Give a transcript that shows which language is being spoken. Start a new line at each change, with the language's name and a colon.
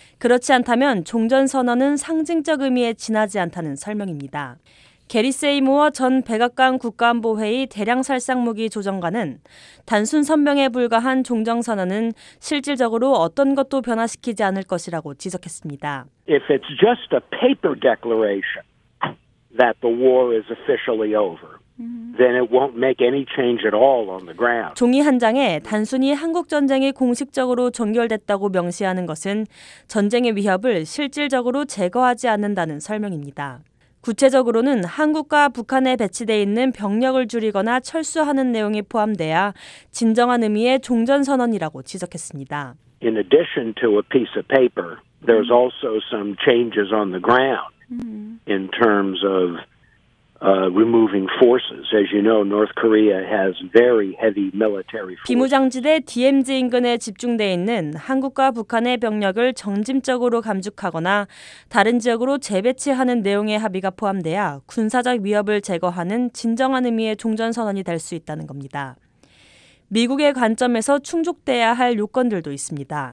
Korean: 그렇지 않다면 종전선언은 상징적 의미에 지나지 않다는 설명입니다. 게리 세이모어 전 백악관 국가안보회의 대량살상무기 조정관은 단순 선명에 불과한 종전선언은 실질적으로 어떤 것도 변화시키지 않을 것이라고 지적했습니다.
English: If it's just a paper declaration that the war is officially over, then it won't make any change at all on the ground.
Korean: 종이 한 장에 단순히 한국 전쟁이 공식적으로 종결됐다고 명시하는 것은 전쟁의 위협을 실질적으로 제거하지 않는다는 설명입니다. 구체적으로는 한국과 북한에 배치돼 있는 병력을 줄이거나 철수하는 내용이 포함돼야 진정한 의미의 종전선언이라고 지적했습니다.
English: In addition to a piece of paper, there's also some changes on the ground in terms of removing forces. As you know, North Korea has very heavy military forces.
Korean: 비무장지대 DMZ 인근에 집중돼 있는 한국과 북한의 병력을 점진적으로 감축하거나 다른 지역으로 재배치하는 내용의 합의가 포함돼야 군사적 위협을 제거하는 진정한 의미의 종전선언이 될 수 있다는 겁니다. 미국의 관점에서 충족돼야 할 요건들도 있습니다.